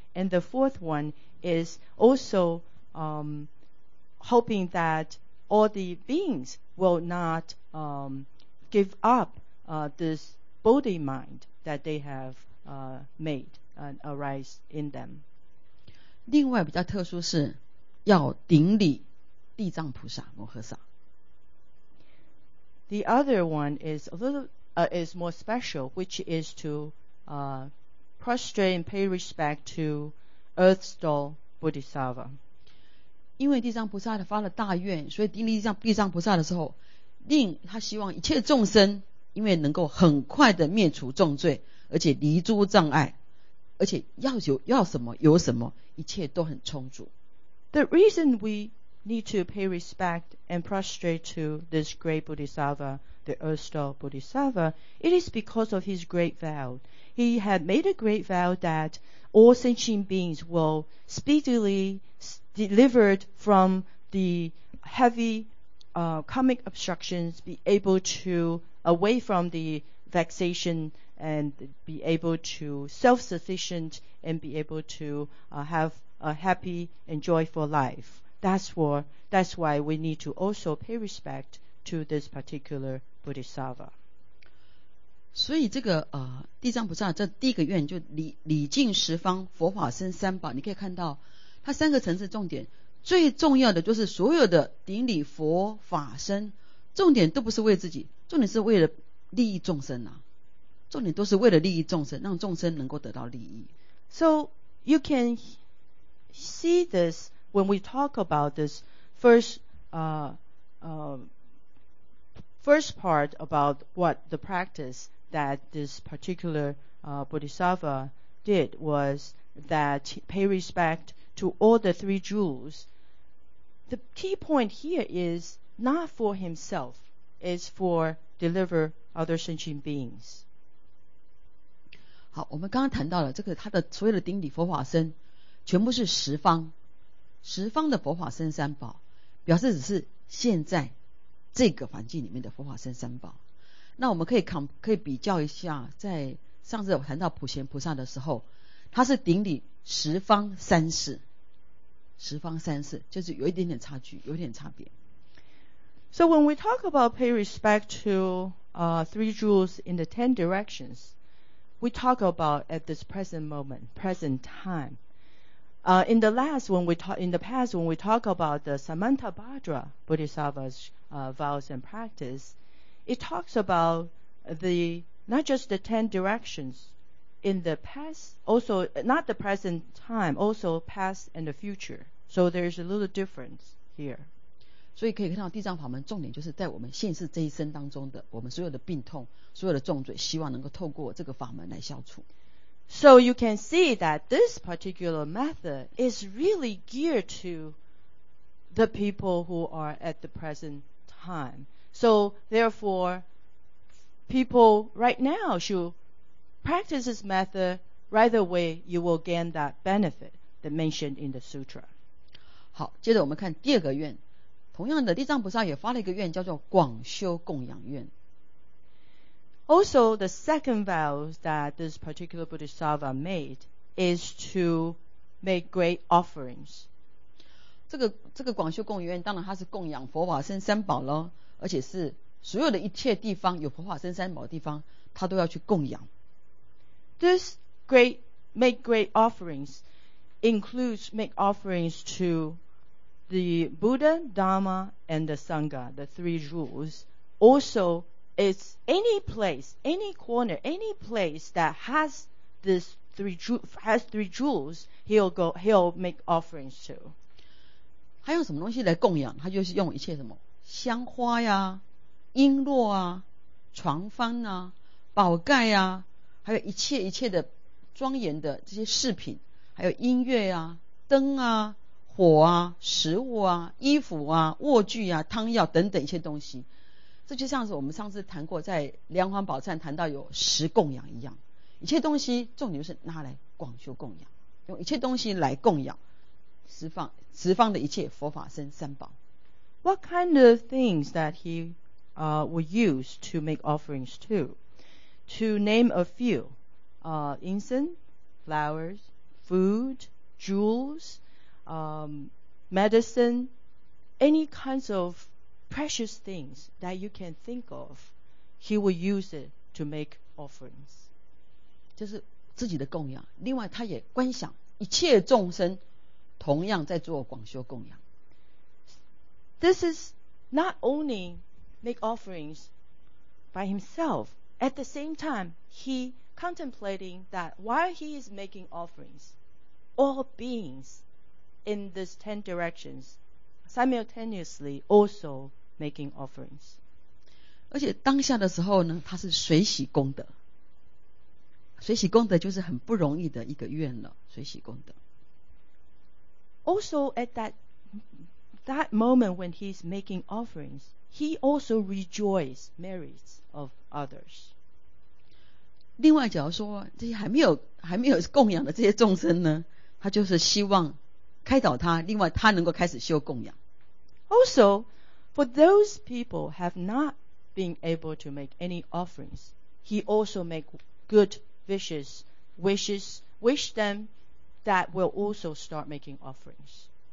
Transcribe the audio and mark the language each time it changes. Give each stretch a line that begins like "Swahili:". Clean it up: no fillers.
English: And the fourth one is also hoping that all the beings will not give up this Bodhi mind that they have made and arise in them.
Chinese: 另外比较特殊是要顶礼地藏菩萨摩诃萨。
English: The other one is a little is more special, which is to prostrate and pay respect to Earth's Tall Bodhisattva.
Chinese: 因为地藏菩萨发了大愿，所以顶礼地藏菩萨的时候，令他希望一切众生因为能够很快的灭除重罪，而且离诸障碍，而且要什么有什么，一切都很充足。
English: The reason we need to pay respect and prostrate to this great Bodhisattva, the Erstal Bodhisattva, it is because of his great vow. He had made a great vow that all sentient beings will speedily delivered from the heavy karmic obstructions, be able to away from the vexation and be able to self-sufficient and be able to have a happy and joyful life. That's why we need to also pay respect to this particular Bodhisattva.
Chinese: 所以这个地藏菩萨这第一个愿就礼敬十方佛法僧三宝，你可以看到它三个层次重点，最重要的就是所有的顶礼佛法僧，重点都不是为自己，重点是为了利益众生啊，重点都是为了利益众生，让众生能够得到利益。
English: So you can see this when we talk about this first part about what the practice that this particular Bodhisattva did was that pay respect to all the three jewels. The key point here is not for himself, it's for deliver other sentient beings.
Chinese: 好，我们刚刚谈到了这个，他的所有的顶礼佛法僧全部是十方，十方的佛法僧三宝，表示只是现在这个环境里面的佛法僧三宝。那我们可以比较一下，在上次我谈到普贤菩萨的时候，他是顶礼十方三世，十方三世就是有一点点差距，有点差别。
English: So when we talk about pay respect to three jewels in the ten directions, we talk about at this present moment, present time. In the past when we talk about the Samantabhadra Bodhisattva's vows and practice, it talks about not just the ten directions in the past, also not the present time, also past and the future. So there's a little difference here.
Chinese: 所以可以看到地藏法门重点就是在我们现世这一生当中的我们所有的病痛，所有的重罪，希望能够透过这个法门来消除。
English: So you can see that this particular method is really geared to the people who are at the present time. So therefore, people right now should practice this method. Right away, you will gain that benefit that mentioned in the sutra.
Chinese: 好，接着我们看第二个愿。同样的，地藏菩萨也发了一个愿，叫做广修供养愿。
English: Also, the second vow that this particular Bodhisattva made is to make great offerings.
Chinese: 这个广修供养愿，当然它是供养佛法僧三宝咯，而且是所有的一切地方有佛法僧三宝的地方，它都要去供养。
English: This great make great offerings includes make offerings to the Buddha, Dharma, and the Sangha, the three jewels. Also, it's any place, any corner, any place that has this three jewels, he'll make offerings to.
Chinese: 他用什么东西来供养？他就是用一切什么香花呀、璎珞啊、床幡啊、宝盖呀。还有一切一切的庄严的这些饰品，还有音乐啊、灯啊、火啊、食物啊、衣服啊、卧具啊、汤药等等一些东西，这就像是我们上次谈过在梁皇宝忏谈到有十供养一样，一切东西重点就是拿来广修供养，用一切东西来供养十方的一切佛法僧三宝。
English: What kind of things that he would use to make offerings to? To name a few, incense, flowers, food, jewels, medicine, any kinds of precious things that you can think of, he will use it to make offerings.
Chinese: 就是自己的供养，另外他也观想一切众生同样在做广修供养。
English: This is not only make offerings by himself,At the same time, he contemplating that while he is making offerings, all beings in these ten directions simultaneously also making offerings.
Chinese: 而且当下的时候呢，他是随喜功德。随喜功德就是很不容易的一个愿了，随喜功德。
English: Also at that that moment when he's making offerings, he also rejoices merits of others.
Chinese: 另外，假如说这些还没有供养的这些众生呢，他就是希望开导他，另外他能够开始修供养。
English: Also, for those people have not been able to make any offerings, he also make good wishes, wish them that will also start making offerings.